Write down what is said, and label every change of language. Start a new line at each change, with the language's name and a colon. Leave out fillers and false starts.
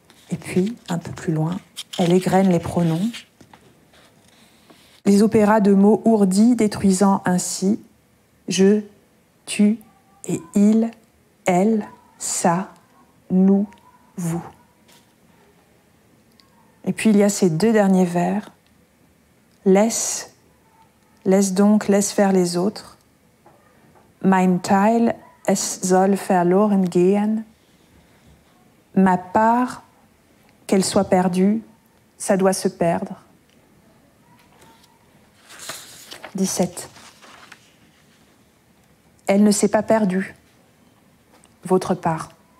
French: Et puis, un peu plus loin, elle égrène les pronoms. Les opéras de mots ourdis détruisant ainsi je, tu et il, elle, ça, nous, vous. Et puis il y a ces deux derniers vers. Laisse, laisse donc, laisse faire les autres.
German: Mein Teil, es soll verloren gehen.
French: Ma part, qu'elle soit perdue, ça doit se perdre. 17. Elle ne s'est pas perdue, votre part.